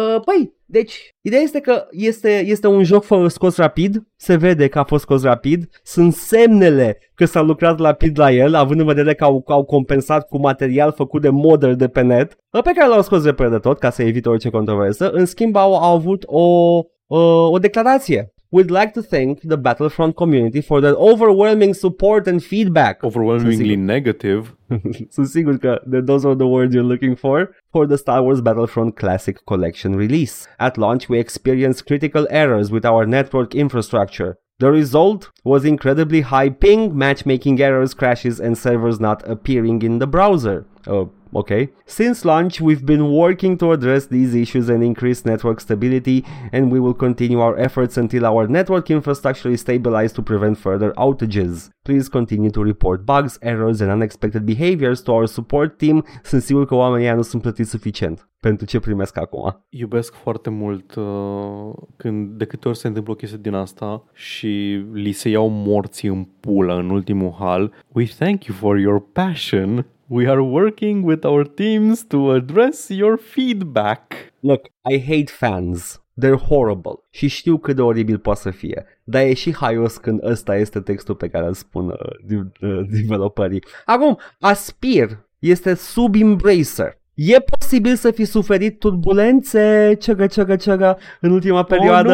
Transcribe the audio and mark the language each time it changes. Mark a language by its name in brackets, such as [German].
[Romanian] Păi, deci, ideea este că este un joc scos rapid, se vede că a fost scos rapid, sunt semnele că s-a lucrat rapid la el, având în vedere că au compensat cu material făcut de modder de pe net, pe care l-au scos repede de tot, ca să evite orice controversă. În schimb, au avut o declarație. [English] We'd like to thank the Battlefront community for their overwhelming support and feedback. Overwhelmingly negative. [Romanian] Sunt sigur că [English] those are the words you're looking for the Star Wars Battlefront Classic Collection release. At launch, we experienced critical errors with our network infrastructure. The result was incredibly high ping, matchmaking errors, crashes, and servers not appearing in the browser. Okay. Since launch, we've been working to address these issues and increase network stability, and we will continue our efforts until our network infrastructure is stabilized to prevent further outages. Please continue to report bugs, errors, and unexpected behaviors to our support team. [Romanian] Sunt sigur că oamenii aia nu sunt plătiți suficient pentru ce primesc acum. Iubesc foarte mult când de câte ori se întâmplă o chestie din asta și li se iau morții în pulă în ultimul hal. [English] We thank you for your passion. We are working with our teams to address your feedback. Look, I hate fans. They're horrible. [Romanian] Și știu cât de oribil poate să fie. Dar e și haios când ăsta este textul pe care îl spun developerii. Acum, Aspir este sub Embracer. E posibil să fi suferit turbulențe, ciogă, în ultima perioadă?